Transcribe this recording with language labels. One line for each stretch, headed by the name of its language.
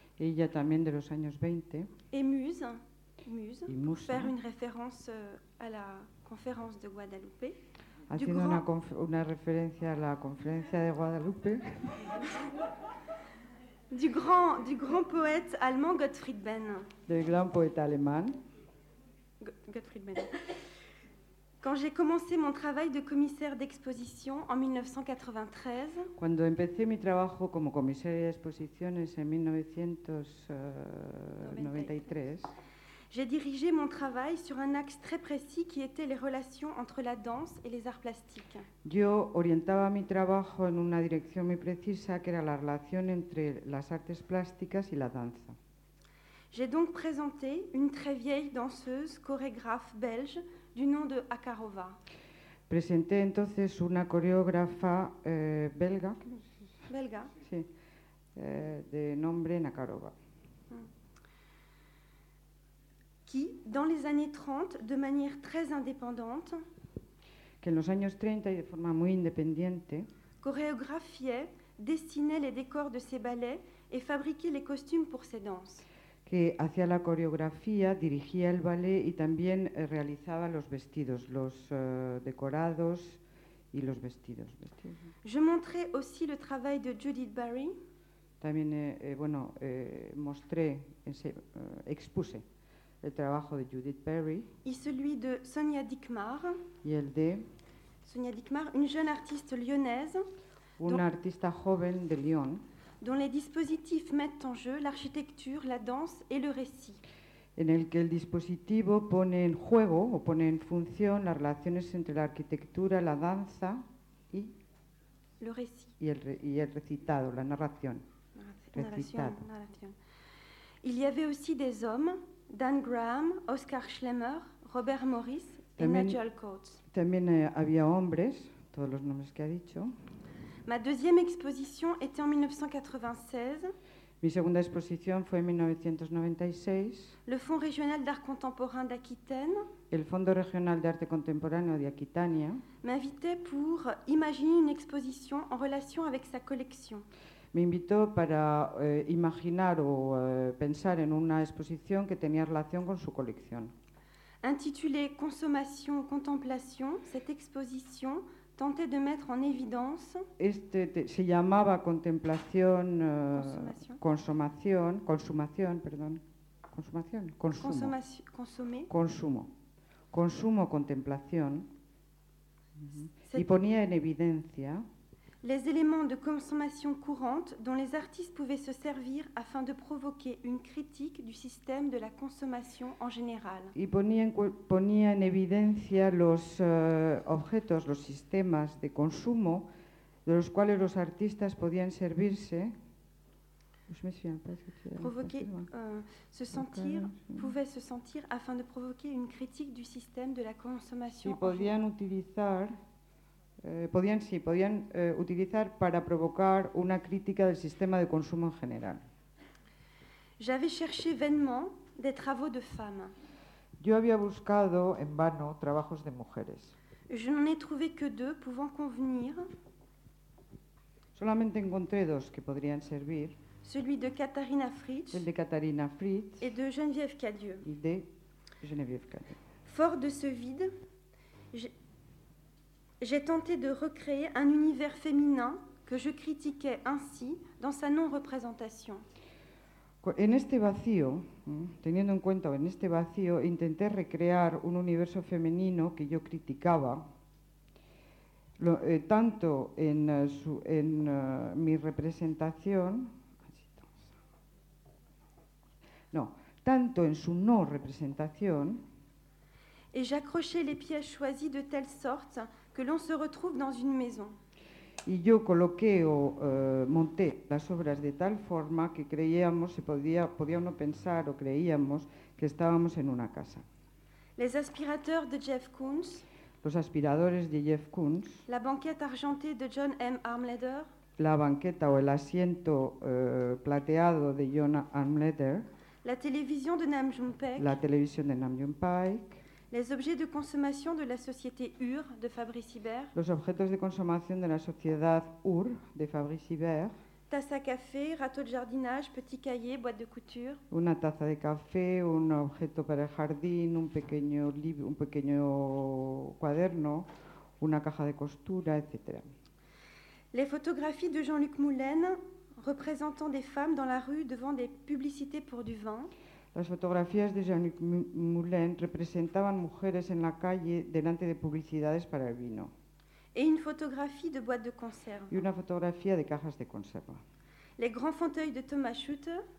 Spanish: ella también de los años 20,
French: et muse,
Spanish: y musa, para hacer una referencia a la conferencia de Guadalupe. Haciendo una referencia a la conferencia de Guadalupe.
French: Du grand poète allemand Gottfried Benn.
Spanish: Del gran poeta alemán. Gottfried Benn.
French: Quand j'ai commencé mon travail de commissaire d'exposition en 1993.
Spanish: Cuando empecé mi trabajo como comisaria de exposiciones en 1993.
French: J'ai dirigé mon travail sur un axe très précis qui était les relations entre la danse et les arts plastiques.
Spanish: Yo orientaba mi trabajo en una dirección muy precisa que era la relación entre las artes plásticas y la danza.
French: J'ai donc présenté une très vieille danseuse chorégraphe belge du nom de Akarova.
Spanish: Presenté entonces una coreógrafa belga. Belga. Sí. De nombre Nakarova.
French: Qui, dans les années 30, de manière très indépendante,
Spanish: que en los años 30 y de forma muy independiente,
French: chorégraphiait, dessinait les décors de ses ballets et fabriquait les costumes pour ses danses.
Spanish: Que hacía la coreografía, dirigía el ballet y también realizaba los vestidos, los decorados y los vestidos.
French: Je montrais aussi le travail de Judith Barry.
Spanish: También, mostré, expuse. El trabajo de Judith Perry
French: y celui de Sonia Dickmar.
Spanish: Y el de
French: Sonia Dickmar, une jeune artiste lyonnaise.
Spanish: Una artista joven de Lyon.
French: Dont les dispositifs mettent en jeu l'architecture, la danse et le récit.
Spanish: En el que el dispositivo pone en juego o pone en función las relaciones entre la arquitectura, la danza y
French: le récit.
Spanish: Y el recitado, la narración. Narración.
French: Il y avait aussi des hommes. Dan Graham, Oscar Schlemmer, Robert Morris
Spanish: también, y Nigel Coates. También había hombres, todos los nombres que ha dicho.
French: Ma deuxième exposition était en 1996.
Spanish: Mi segunda exposición fue en 1996.
French: Le Fonds régional d'art contemporain d'Aquitaine.
Spanish: El Fondo Regional de Arte Contemporáneo de Aquitania.
French: M'invitait pour imaginer une exposition en relation avec sa collection.
Spanish: Me invitó para imaginar o pensar en una exposición que tenía relación con su colección.
French: Intitulée Consommation, Contemplation, cette exposition tentait de mettre en évidence.
Spanish: Se llamaba Contemplación, Consumo, Contemplación. Y ponía en evidencia.
French: Les éléments de consommation courante dont les artistes pouvaient se servir afin de provoquer une critique du système de la consommation en général.
Spanish: Y ponía en evidencia los objetos, los sistemas de consumo de los cuales los artistas podían servirse.
French: Pouvaient se sentir afin de provoquer une critique du système de la consommation.
Spanish: Y podían utilizar. Podían utilizar para provocar una crítica del sistema de consumo en general.
French: J'avais cherché vainement des travaux de femmes.
Spanish: Yo había buscado en vano trabajos de mujeres.
French: Je n'en ai trouvé que deux pouvant convenir.
Spanish: Solamente encontré dos que podrían servir.
French: Celui de Katharina Fritsch.
Spanish: El de Katharina Fritsch.
French: Et de Geneviève Cadieux.
Spanish: Y de Geneviève Cadieux.
French: Fort de ce vide, j'ai tenté de recréer un univers féminin que je critiquais ainsi dans sa non-représentation.
Spanish: En este vacío, teniendo en cuenta en este vacío, intenté recrear un universo femenino que yo criticaba, tanto mi representación, no, tanto en su no-representación.
French: Et j'accrochais les pièces choisies de telle sorte que l'on se retrouve dans une maison.
Spanish: Y yo coloqué o monté las obras de tal forma que creíamos, podía uno pensar o creíamos que estábamos en una casa.
French: Les aspirateurs de Jeff Koons.
Spanish: Los aspiradores de Jeff Koons.
French: La banqueta argentée de John M. Armleder.
Spanish: La banqueta o el asiento plateado de John Armleder.
French: La télévision de Nam June Paik.
Spanish: La televisión de Nam June Paik.
French: Les objets de consommation de la société UR de Fabrice Hibert.
Spanish: Los objetos de consumación de la sociedad UR de Fabrice Hibert.
French: Tasse à café, râteau de jardinage, petit cahier, boîte de couture.
Spanish: Una taza de café, un objeto para el jardín, un pequeño cuaderno, una caja de costura, etc.
French: Les photographies de Jean-Luc Moulin représentant des femmes dans la rue devant des publicités pour du vin.
Spanish: Las fotografías de Jean-Luc Moulin representaban mujeres en la calle delante de publicidades para el vino.
French: Et une photographie de boîte de conserve.
Spanish: Y una fotografía de cajas de conserva.
French: Les grands fauteuils de Thomas Schutte.